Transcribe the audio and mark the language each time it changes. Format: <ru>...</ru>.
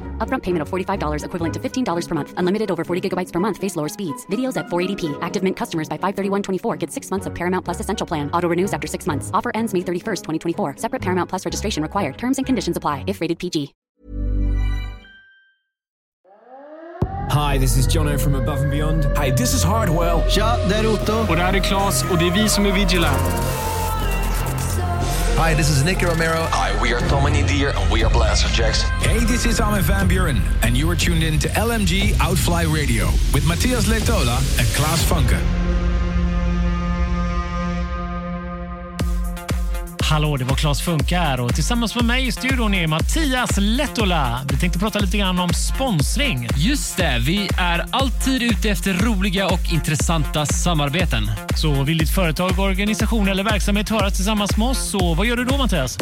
<en>Upfront payment of $45 equivalent to $15 per month. Unlimited over 40 gigabytes per month. Face lower speeds. Videos at 480p. Active Mint customers by 5/31/24 get 6 months of Paramount Plus Essential Plan. Auto renews after 6 months. Offer ends May 31st, 2024. Separate Paramount Plus registration required. Terms and conditions apply if rated PG. Hi, this is Jono from Above and Beyond. Hi, this is Hardwell.</en> <sv>Tja, det är Otto. Och det här är Klas, och det är vi som är Vigilant.</sv> <en>Hi, this is Nicky Romero. Hi, we are Tommy Deer, and we are Blaster Jacks. Hey, this is Armin van Buuren, and you are tuned in to LMG Outfly Radio with Mattias Lehtola and Klas Funke.</en> <sv>Hallå, det var Klas Funke här, och tillsammans med mig i studion är Mattias Lehtola. Vi tänkte prata lite grann om sponsring. Just det, vi är alltid ute efter roliga och intressanta samarbeten. Så vill ditt företag, organisation eller verksamhet höra tillsammans med oss, så vad gör du då, Mattias?</sv>